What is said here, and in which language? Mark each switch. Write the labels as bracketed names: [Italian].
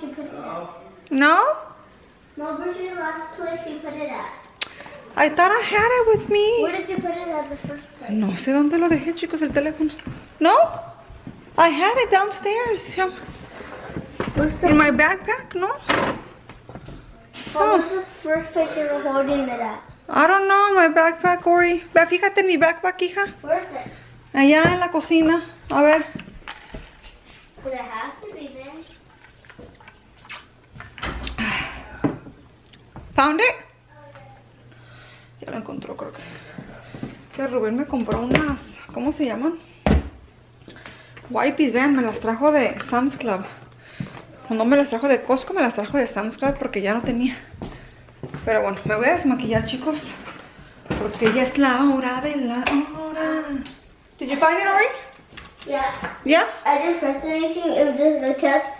[English] You put, Mom, where's the last place you put it at? I thought I had it with me. Where did you put it at the first place? [Spanish] No sé dónde lo dejé, chicos, el teléfono. [English] ¿No? I had it downstairs. What's in my backpack, no? What was the first place you were holding it at? I don't know, in my backpack, Ori. [Spanish] Fíjate en mi backpack, hija. [English] Where is it? [Spanish] Allá en la cocina. A ver. [English] But it has to be there. Found it? Okay. [Spanish] Ya lo encontró, creo que. Que Rubén me compró unas. ¿Cómo se llaman? Wipes, vean, me las trajo de Sam's Club. No me las trajo de Costco, me las trajo de Sam's Club porque ya no tenía. Pero bueno, me voy a desmaquillar, chicos. Porque ya es la hora de la hora. [English] ¿Did you find it already? Yeah. Yeah? I just pressed anything, it was just the chest.